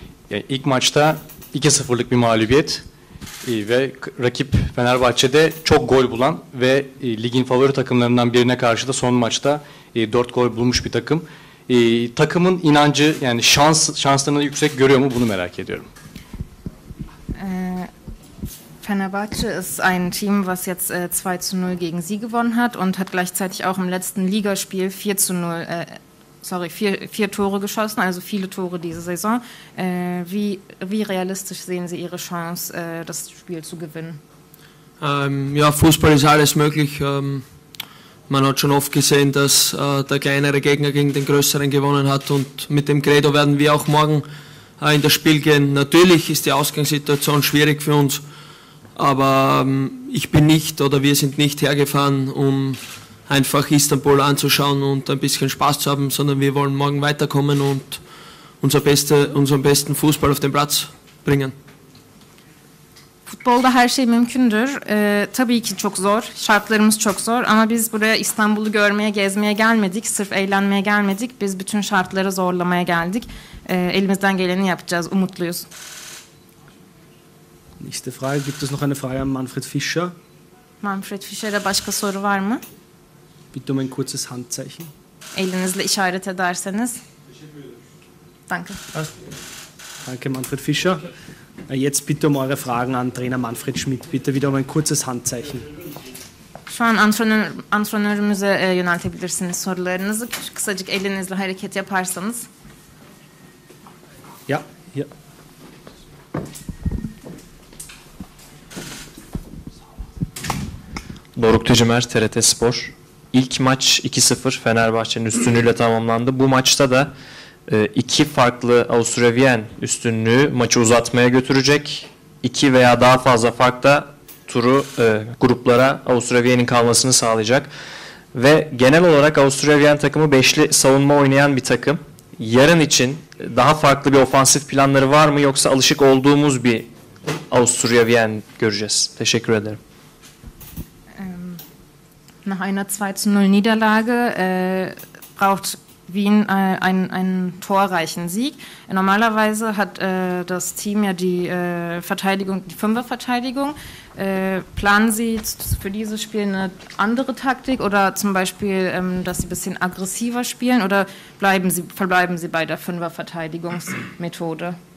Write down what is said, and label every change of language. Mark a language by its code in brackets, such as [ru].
[tr] Yani ilk maçta 2-0'lık bir mağlubiyet ve rakip Fenerbahçe'de çok gol bulan ve ligin favori takımlarından birine karşı da son maçta 4 gol bulmuş bir takım. Takımın inancı, yani şanslarını yüksek görüyor mu, bunu merak ediyorum. [de] Fenerbahçe ist ein Team, was jetzt 2:0 gegen sie gewonnen hat und hat gleichzeitig auch im letzten Ligaspiel 4 Tore geschossen, also viele Tore diese Saison. Wie realistisch sehen Sie Ihre Chance, das Spiel zu gewinnen? Ja, Fußball ist alles möglich. Man hat schon oft gesehen, dass der kleinere Gegner gegen den größeren gewonnen hat und mit dem Credo werden wir auch morgen in das Spiel gehen. Natürlich ist die Ausgangssituation schwierig für uns, aber ich bin nicht oder wir sind nicht hergefahren, um einfach Istanbul anzuschauen und ein bisschen Spaß zu haben, sondern wir wollen morgen weiterkommen und unseren besten Fußball auf den Platz bringen. [tr] Futbolda her şey mümkündür. Tabii ki çok zor, şartlarımız çok zor ama biz buraya İstanbul'u görmeye, gezmeye gelmedik, sırf eğlenmeye gelmedik. Biz bütün şartları zorlamaya geldik. elimizden geleni yapacağız, umutluyuz. [de] Nächste Frage, gibt es noch eine Frage an Manfred Fischer? [tr] Manfred Fischer'e başka soru var mı? [de] Bitte um ein kurzes Handzeichen. [tr] Elinizle işaret ederseniz. [de] Danke. Danke, Manfred Fischer. Jetzt bitte um eure Fragen an Trainer Manfred Schmidt. Bitte wieder um ein kurzes Handzeichen. [tr] Şu an antrenörümüze yöneltebilirsiniz sorularınızı. Kısacık elinizle hareket yaparsanız. [de] Ja, ja. [tr] Doruk Tücümer, TRT Spor. İlk maç 2-0 Fenerbahçe'nin üstünlüğüyle tamamlandı. Bu maçta da iki farklı Avusturya-Viyen üstünlüğü maçı uzatmaya götürecek. İki veya daha fazla farkla turu gruplara Avusturya-Viyen'in kalmasını sağlayacak. Ve genel olarak Avusturya-Viyen takımı beşli savunma oynayan bir takım. Yarın için daha farklı bir ofansif planları var mı, yoksa alışık olduğumuz bir Avusturya-Viyen göreceğiz? Teşekkür ederim. [de] Nach einer 2-0-Niederlage braucht Wien einen torreichen Sieg. Normalerweise hat das Team ja die Verteidigung, die Fünferverteidigung. Planen Sie für dieses Spiel eine andere Taktik oder zum Beispiel, dass Sie ein bisschen aggressiver spielen, oder verbleiben Sie bei der Fünferverteidigungsmethode?